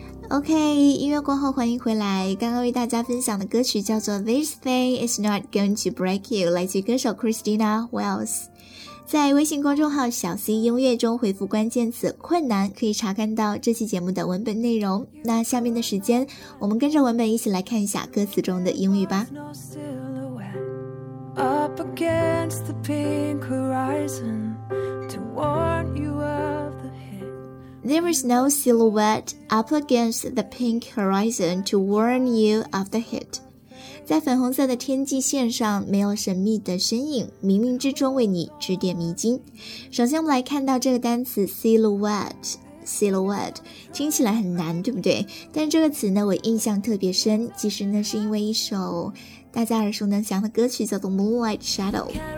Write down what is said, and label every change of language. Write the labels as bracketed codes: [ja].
[zh] OK， 音乐过后欢迎回来。刚刚为大家分享的歌曲叫做 This thing is not going to break you， 来自歌手 Christina Wells。在微信公众号小 C 音乐中回复关键词困难，可以查看到这期节目的文本内容。那下面的时间我们跟着文本一起来看一下歌词中的英语吧。 [en] No silhouette up against the pink horizon to warn youThere is no silhouette up against the pink horizon to warn you of the hit. [zh] 在粉红色的天际线上，没有神秘的身影，冥冥之中为你指点迷津。首先我们来看到这个单词 silhouette。Silhouette 听起来很难，对不对？但这个词呢，我印象特别深，其实呢是因为一首大家耳熟能详的歌曲，叫做 Moonlight Shadow。